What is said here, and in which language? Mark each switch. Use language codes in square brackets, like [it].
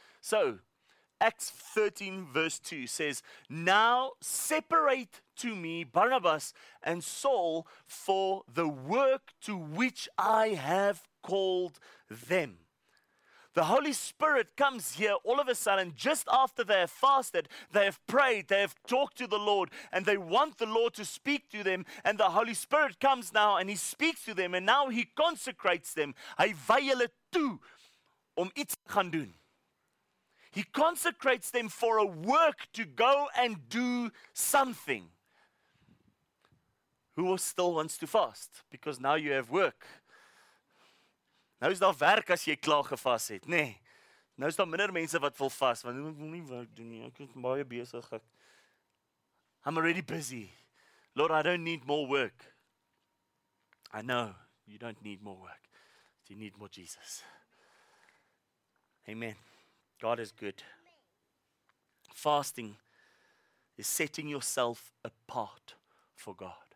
[en] So, Acts 13 verse 2 says, "Now separate to me Barnabas and Saul for the work to which I have called them." The Holy Spirit comes here all of a sudden, just after they have fasted, they have prayed, they have talked to the Lord, and they want the Lord to speak to them. And the Holy Spirit comes now and He speaks to them, and now He consecrates them. [af] Hy wy hulle toe om iets te gaan doen. [en] He consecrates them for a work to go and do something. Who still wants to fast? Because now you have work. [af] Nou is daar werk as jy klaar gevas het, nê? Nee. Nou is daar minder mense wat wil vas, want ek wil nie werk doen nie. Ek is baie besig. [en] I'm already busy. Lord, I don't need more work. I know you don't need more work. You need more Jesus. Amen. God is good. Fasting is setting yourself apart for God.